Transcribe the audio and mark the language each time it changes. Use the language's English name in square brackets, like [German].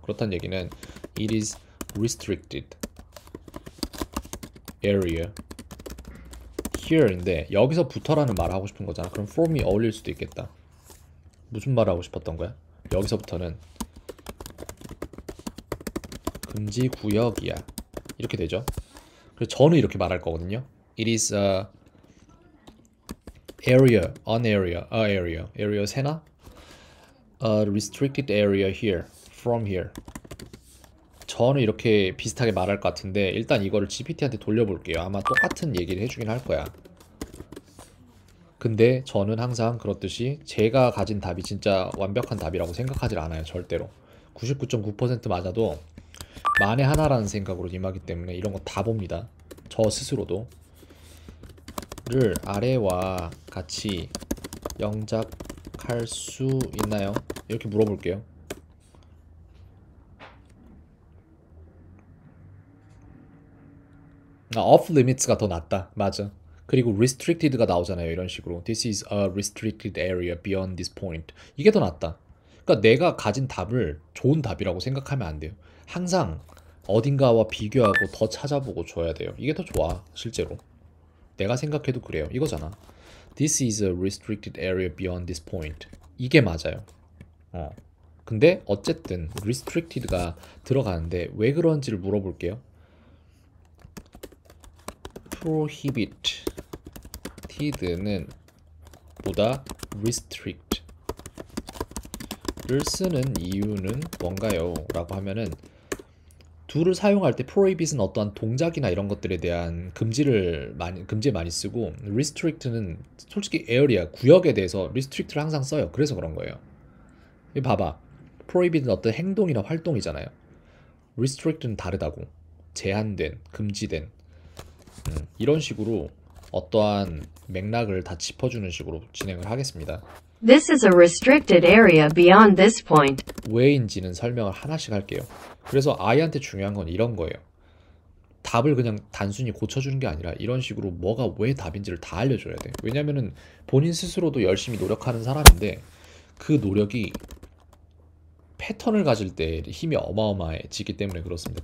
[Korean] 그렇단 얘기는 [English] it is restricted area here [Korean] 인데 여기서부터라는 말을 하고 싶은 거잖아. 그럼 from이 어울릴 수도 있겠다. 무슨 말을 하고 싶었던 거야? 여기서부터는 금지 구역이야. 이렇게 되죠. 그래서 저는 이렇게 말할 거거든요. [English] It is a area, an area, a area, area [Korean] 세나? [English] A restricted area here, from here. [Korean] 저는 이렇게 비슷하게 말할 것 같은데, 일단 이거를 GPT한테 돌려볼게요. 아마 똑같은 얘기를 해주긴 할 거야. 근데 저는 항상 그렇듯이 제가 가진 답이 진짜 완벽한 답이라고 생각하지 않아요, 절대로. 99.9% 맞아도 만에 하나라는 생각으로 임하기 때문에 이런 거다 봅니다. 저 스스로도 를 아래와 같이 영작할 수 있나요? 이렇게 물어볼게요. off limits가 더 낫다. 맞아. 그리고 restricted가 나오잖아요. 이런 식으로. [English] This is a restricted area beyond this point. [Korean] 이게 더 낫다. 그러니까 내가 가진 답을 좋은 답이라고 생각하면 안 돼요. 항상 어딘가와 비교하고 더 찾아보고 줘야 돼요. 이게 더 좋아, 실제로. 내가 생각해도 그래요. 이거잖아. [English] This is a restricted area beyond this point. [Korean] 이게 맞아요. 근데 어쨌든 restricted가 들어가는데 왜 그런지를 물어볼게요. prohibited는 보다 restrict를 쓰는 이유는 뭔가요? 라고 하면은 둘을 사용할 때 prohibit은 어떠한 동작이나 이런 것들에 대한 금지 많이 쓰고 restrict는 솔직히 area, 구역에 대해서 restrict를 항상 써요. 그래서 그런 거예요. 봐봐. prohibit은 어떤 행동이나 활동이잖아요. restrict은 다르다고. 제한된, 금지된. 이런 식으로 어떠한 맥락을 다 짚어주는 식으로 진행을 하겠습니다. [English] This is a restricted area beyond this point. [Korean] 왜인지는 설명을 하나씩 할게요. 그래서 아이한테 중요한 건 이런 거예요. 답을 그냥 단순히 고쳐주는 게 아니라 이런 식으로 뭐가 왜 답인지를 다 알려줘야 돼. 왜냐면은 본인 스스로도 열심히 노력하는 사람인데 그 노력이 패턴을 가질 때 힘이 어마어마해지기 때문에 그렇습니다.